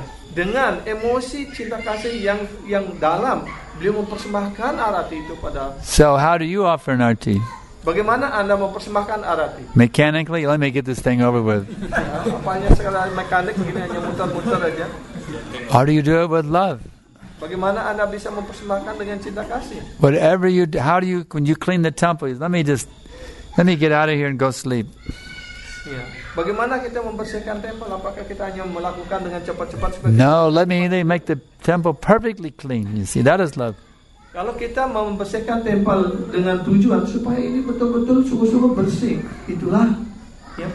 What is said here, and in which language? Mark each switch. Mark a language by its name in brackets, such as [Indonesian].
[Indonesian] Dengan emosi cinta kasih yang dalam, beliau mempersembahkan arati itu pada. [English] So how do you offer an arati? [Indonesian] Bagaimana Anda mempersembahkan arati? [English] Mechanically, let me get this thing over with. [Indonesian] Apanya sekarang mekanik begini, hanya muter-muter aja. [English] How do you do it with love? [Indonesian] Bagaimana Anda bisa mempersembahkan dengan cinta kasih? [English] Whatever you do, how do you, when you clean the temple, let me get out of here and go sleep. [Indonesian] Bagaimana kita membersihkan temple? Apakah kita hanya melakukan dengan cepat-cepat? [English] No, let me make the temple perfectly clean. You see, that is love. [Indonesian] Kalau kita membersihkan temple dengan tujuan supaya ini betul-betul sungguh-sungguh bersih, itulah yang